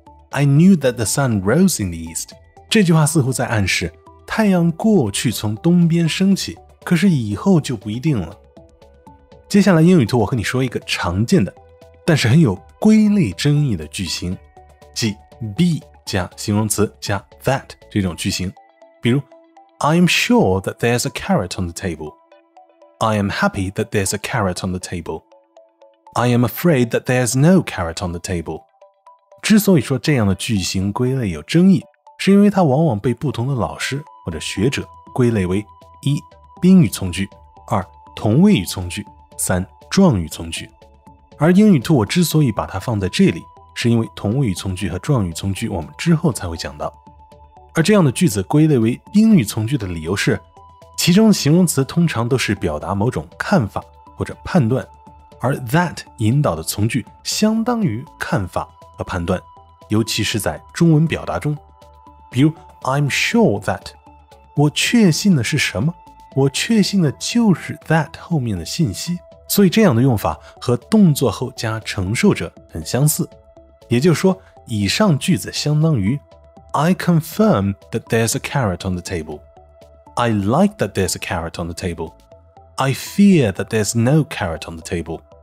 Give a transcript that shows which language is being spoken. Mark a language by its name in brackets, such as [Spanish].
[English] I knew that the sun rose in the east， [Chinese] 这句话似乎在暗示太阳过去从东边升起，可是以后就不一定了。接下来英语图我和你说一个常见的但是很有归类争议的句型，即 be 加形容词加 that 这种句型。比如 [English] I'm sure that there's a carrot on the table， I am happy that there's a carrot on the table， I am afraid that there's no carrot on the table。 [Chinese] 之所以说这样的句型归类有争议，是因为它往往被不同的老师或者学者归类为一宾语从句，二同位语从句，三状语从句。而英语兔我之所以把它放在这里，是因为同位语从句和状语从句我们之后才会讲到。而这样的句子归类为宾语从句的理由是，其中的形容词通常都是表达某种看法或者判断，而 that 引导的从句相当于看法和判断，尤其是在中文表达中。比如 [English] I'm sure that， [Chinese] 我确信的是什么？我确信的就是 that 后面的信息，所以这样的用法和动作后加承受者很相似。也就是说，以上句子相当于 [English] I confirm that there's a carrot on the table， I like that there's a carrot on the table， I fear that there's no carrot on the table。